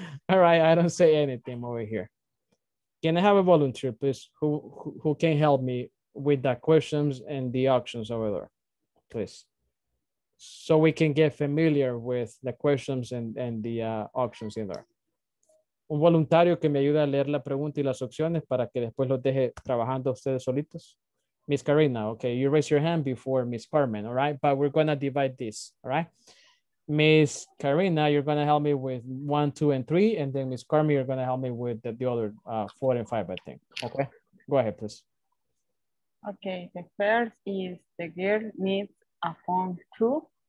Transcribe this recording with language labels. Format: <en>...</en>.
<en>All right, I don't say anything over here. Can I have a volunteer, please, who can help me with the questions and the auctions over there, please? So we can get familiar with the questions and the auctions in there.</en> <es>Un voluntario que me ayude a leer la pregunta y las opciones para que después los deje trabajando ustedes solitos.</es> <en>Miss Karina, okay, you raise your hand before Miss Carmen, all right? But we're going to divide this, all right? Miss Karina, you're going to help me with 1, 2, and 3, and then Miss Carmen, you're going to help me with the other 4 and 5, I think. Okay, go ahead, please. Okay, the first is the girl needs a phone too.</en>